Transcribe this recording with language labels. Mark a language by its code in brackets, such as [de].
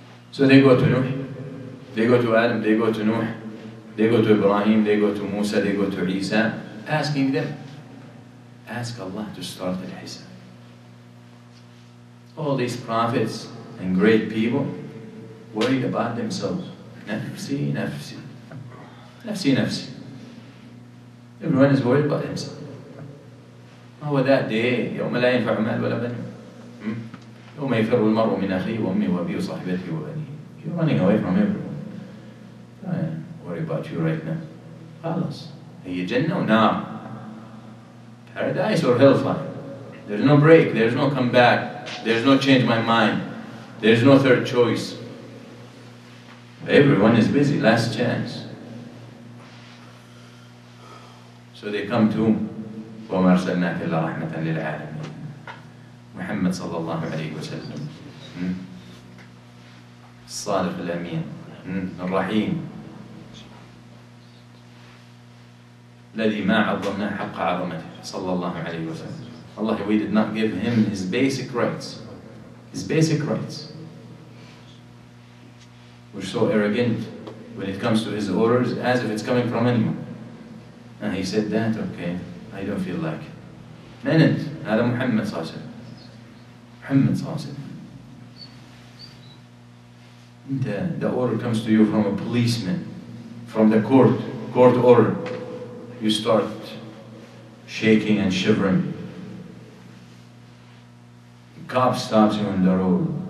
[en] So they go to Nuh, they go to Adam, they go to Nuh, they go to Ibrahim, they go to Musa, they go to Isa, asking them, ask Allah to start the hisab. All these prophets and great people worried about themselves. Nafsi, nafsi. Nafsi, nafsi. Everyone is worried about himself. How was that day? [ar] يوم لا ينفع مال ولا بنون. يوم يفر المرء من أخيه وأمي وأبيه وصاحبته وبنيه. [en] You're running away from everyone. I worry about you right now. [ar] خلاص. هي جنة أو نار. [en] Paradise or hellfire. There's no break. There's no come back. There's no change my mind. There's no third choice. Everyone is busy. Last chance. So they come to him. [ar] وما أرسلناك إلا رحمة للعالمين. محمد صلى الله عليه وسلم. الصادق الأمين. الرحيم. الذي ما عظمنا حق عظمته. صلى الله عليه وسلم. [en] Allah, we did not give him his basic rights. His basic rights. We're so arrogant when it comes to his orders as if it's coming from anyone. And he said that, okay, I don't feel like it. Man it. Adam Muhammad صلى الله عليه وسلم. Muhammad صلى الله عليه وسلم. The order comes to you from a policeman, from the court, court order. You start shaking and shivering. Cop stops you on the road.